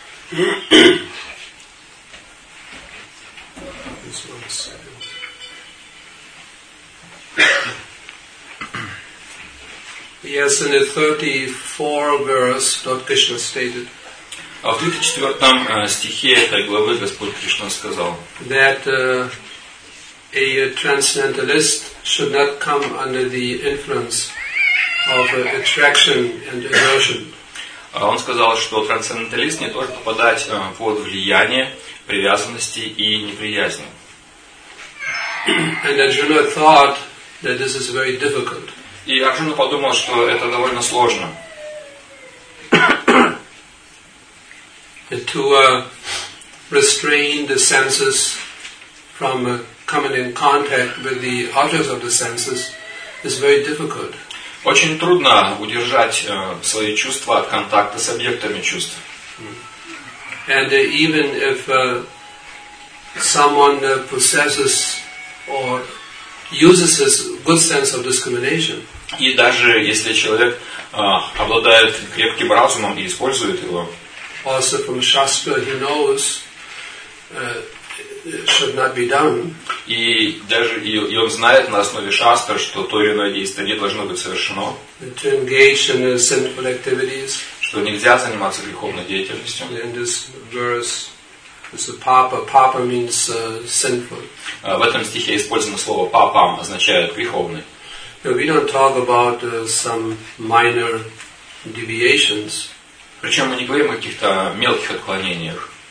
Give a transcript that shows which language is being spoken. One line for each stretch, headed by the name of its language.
English: This one is Yes, in the 34 verse, Lord Krishna stated.
Russian: А в 34 стихе этой главы Господь Кришна сказал.
English: That a transcendentalist should not come under the influence of attraction and aversion.
Russian: Он сказал, что трансценденталист не должен попадать под влияние привязанности и неприязни.
English: And Arjuna thought that this is very difficult.
Russian: И Арджуна подумал, что это довольно сложно.
English: To restrain the senses from coming in contact with the objects of the senses is very difficult.
Russian: Очень трудно удержать свои чувства от контакта с объектами чувств.
English: And even if someone possesses or uses his good sense of discrimination.
Russian: И даже если человек обладает крепким разумом и использует его.
English: Also from Shastra he knows should not be done.
Russian: И даже и он знает на основе шастры, что то или иное действие не должно быть совершено.
English: To engage in sinful activities.
Russian: Что нельзя заниматься греховной деятельностью.
English: In this verse is a papa. Papa means sinful.
Russian: В этом стихе использовано слово папам, означает греховный.
English: Now we don't talk about some minor deviations.
Russian: Причем мы не говорим о каких-то мелких отклонениях.